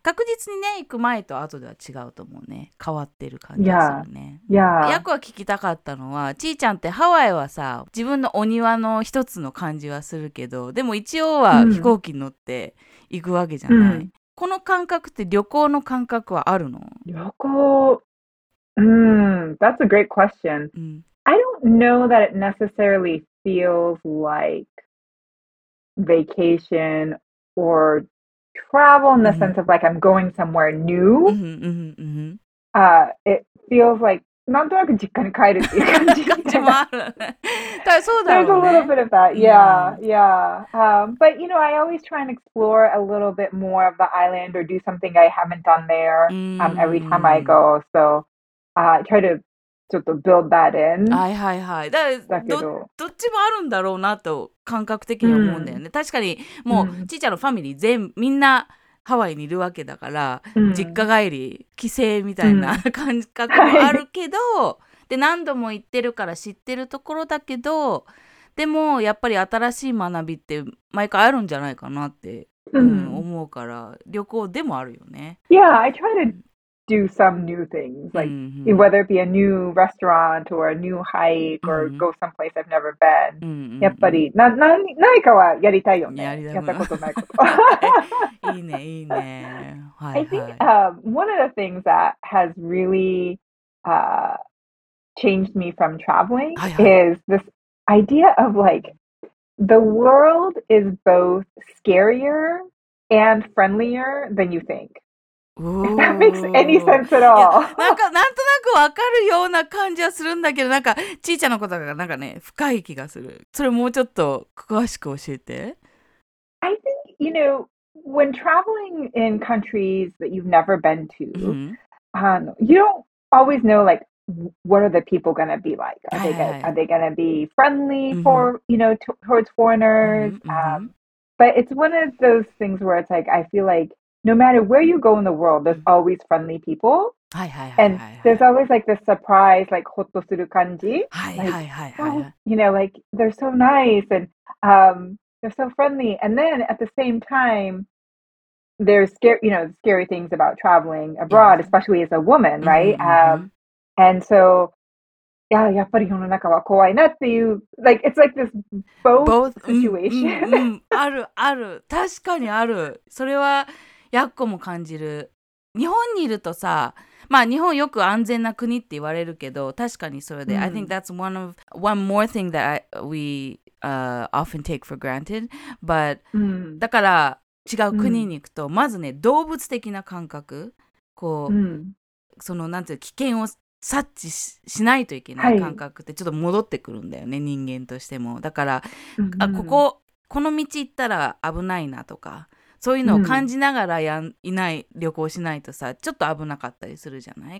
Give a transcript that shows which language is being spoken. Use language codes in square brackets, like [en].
[ja] 確実にね、行く前と後では違うと思うね。変わってる感じがするね。ヤコは聞きたかったのは、ちーちゃんってハワイはさ、自分のお庭の一つの感じはするけど、でも一応は飛行機に乗って行くわけじゃない、うんうん、この感覚って旅行の感覚はあるの？ [en] 旅行、that's a great question.、 [ja] うん、 [en] I don't know that it necessarily feels like vacation or travel in the、 [ja] うん、 [en] sense of like I'm going somewhere new. It feels like, [ja] なんとなく実家に帰るっていう感じ。感じもあるね。だからそうだろうね。 [en] There's a little bit of that, yeah, yeah. But you know, I always try and explore a little bit more of the island or do something I haven't done there every time I go. So, try to [ja] ちょっと [en] build that in. [ja] はいはいはい。だけど、どっちもあるんだろうなと感覚的に思うんだよね。確かに、もう、ちいちゃんのファミリー全員、みんな、ハワイにいるわけだから、うん、実家帰り帰省みたいな感覚もあるけど、うん、で何度も行ってるから知ってるところだけど、でもやっぱり新しい学びって毎回あるんじゃないかなって、うん、思うから、旅行でもあるよね。 [en] Yeah, I try to do some new things like、うん、whether it be a new restaurant or a new hike or、うん、go someplace I've never been、 [ja] うんうんうん、やっぱり何かはやりたいよね。やったことないこといいね、いいね。 [en] I think one of the things that has really changed me from traveling is this idea of like the world is both scarier and friendlier than you think. If that makes any sense at all. [ja] なんとなくわかるような感じはするんだけど、なんかちいちゃんのことがなんかね深い気がする。それもうちょっと詳しく教えて。 [en] I think, you know,When traveling in countries that you've never been to,、 mm-hmm. You don't always know, like, what are the people going to be like? Are they going to be friendly、mm-hmm. for, you know, towards foreigners?、 Mm-hmm. But it's one of those things where it's like, I feel like no matter where you go in the world, there's always friendly people. And there's always like this surprise, like, [ja] ほっとする感じ. [en] Like, you know, like, they're so nice and...、They're so friendly. And then at the same time, there's scary things about traveling abroad,、yes. especially as a woman, right?、 Mm-hmm. And so, yeah, [ja] やっぱり世の中は怖いなっていう、 [en] like, it's like this both situation. [ja] あるある。確かにある。それはヤッコも感じる。日本にいるとさ、まあ日本よく安全な国って言われるけど、確かにそれで。 [en] Mm-hmm. I think that's one more thing that often take for granted, but、 [ja] うん、だから違う国に行くと、うん、まずね動物的な感覚こう、うん、そのなんていう危険を察知 しないといけない感覚ってちょっと戻ってくるんだよね、はい、人間としても。だから、うんうん、あ、この道行ったら危ないなとか、そういうのを感じながらいない、うん、旅行しないとさ、ちょっと危なかったりするじゃない。